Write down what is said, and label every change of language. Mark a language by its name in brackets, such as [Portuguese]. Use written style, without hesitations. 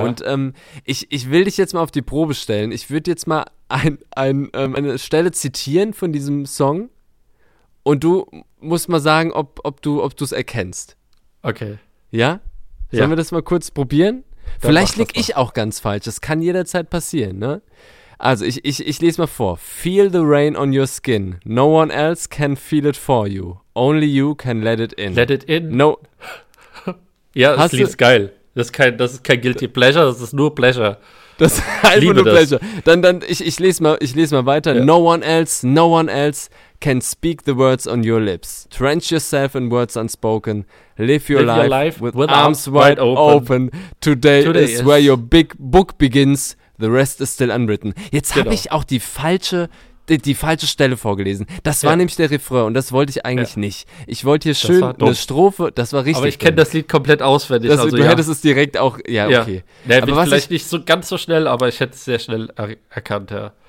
[German] Und ich will dich jetzt mal auf die Probe stellen. Ich würde jetzt mal eine Stelle zitieren von diesem Song und du musst mal sagen, ob du es erkennst. Okay. Ja? Sollen wir das mal kurz probieren? Dann vielleicht liege ich auch ganz falsch. Das kann jederzeit passieren, ne? Also, ich lese mal vor. [English] Feel the rain on your skin. No one else can feel it for you. Only you can let it in. Let it in? No. [German] Ja, das Lied ist geil. Das ist kein Guilty Pleasure, das ist nur Pleasure. Das ist einfach nur Pleasure. Dann lese ich mal weiter. Ja. [English] No one else can speak the words on your lips. Trench yourself in words unspoken. Live your life with arms wide open. Today is where your big book begins. The rest is still unwritten. [German] Jetzt habe ich auch die falsche Stelle vorgelesen. Das war nämlich der Refrain und das wollte ich eigentlich nicht. Ich wollte hier schön eine Strophe, das war richtig. Aber ich kenne das Lied komplett auswendig. Du hättest es direkt auch, okay. Naja, aber vielleicht nicht so ganz so schnell, aber ich hätte es sehr schnell erkannt, ja.